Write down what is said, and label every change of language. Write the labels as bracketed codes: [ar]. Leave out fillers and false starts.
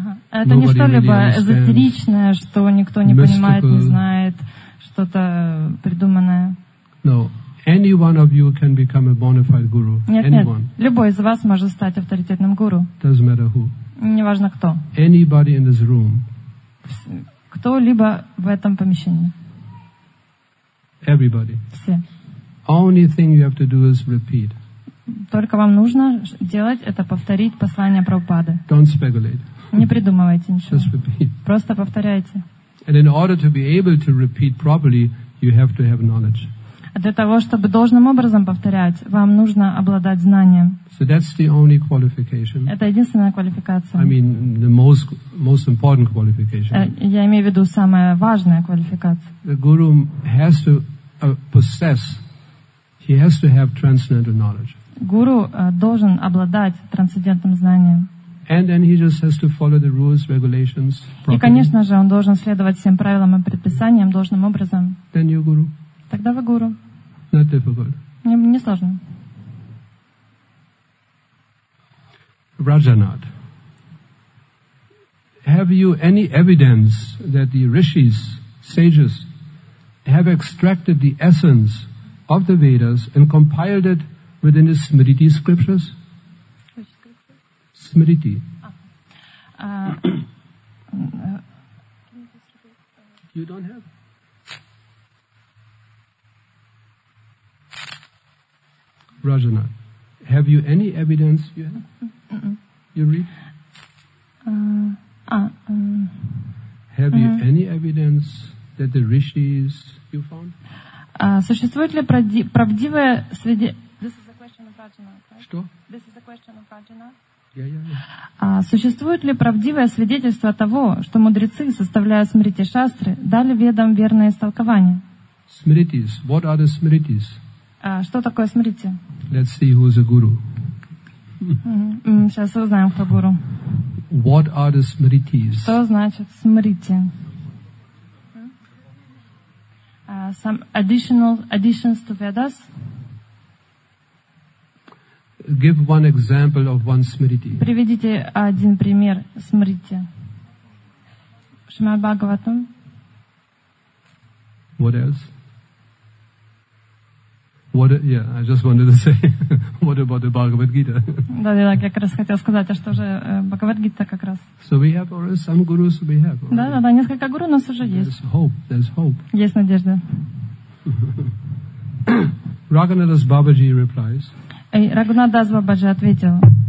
[ru] Это не что-либо эзотеричное, что никто не понимает, не знает, что-то придуманное. [en] No, any one of you can become a bona fide guru. [ru] Нет, любой из вас может стать авторитетным гуру. [en] Doesn't matter who. [ru] Неважно кто. [en] Anybody in this room. [ru] Кто-либо в этом помещении. [en] Everybody. [ru] Все. [en] Only thing you have to do is repeat. [ru] Только вам нужно делать это, повторить послание Прабхупады. [en] Don't speculate. [ru] Не придумывайте ничего. Просто повторяйте. [en] And in order to be able to repeat properly, you have to have knowledge. [ru] А для того, чтобы должным образом повторять, вам нужно обладать знанием. [en] So that's the only qualification. [ru] Это единственная квалификация. [en] I mean the most important qualification. [ru] Я имею в виду самая важная квалификация. [en] The guru has to possess. He has to have transcendental knowledge. [ru] Гуру должен обладать трансцендентным знанием. [en] And then he just has to follow the rules, regulations. [ru] И, конечно же, он должен следовать всем правилам и предписаниям должным образом. [en] Then you're guru. [ru] Тогда вы гуру. [en] Not difficult. [ru] Не сложно. [en] Rajanath, have you any evidence that the rishis, sages, have extracted the essence of the Vedas and compiled it within the Smriti scriptures? [ru] Смирити. [en] You don't have. Rajana, have you any evidence you have? Mm-mm. You read? Have you any evidence that the rishis you found? [ru] Существует ли правдивое свидетельство? [en] This is a question of Rajana. [ru] Что? [en] This is a question of Rajana. [ru] Существует ли правдивое свидетельство того, что мудрецы, составляя Смрити Шастры, дали ведам верное истолкование? [en] Smritis. What are the Smritis? [ru] Что такое Смрити? [en] Let's see who is a guru. [ru] Сейчас узнаем, кто гуру. [en] What are the smritis? [ru] Что значит смрити? [en] Some additions to Vedas. Give one example of one smriti. [ru] Приведите один пример смрити. Шримад Бхагаватам. [en] What else? What? Yeah, I just wanted to say, what about the Bhagavad Gita? [ru] Да, да, я как раз хотел сказать, а что же Бхагавад Гита как раз? [en] So we have already some gurus. We have. [ru] Да, да, да, несколько гуру у нас уже есть. [en] There's hope. There's hope. [ru] Есть надежда. [en] Raghunadas Babaji replies. [ru] Raghunadas Babaji ответил.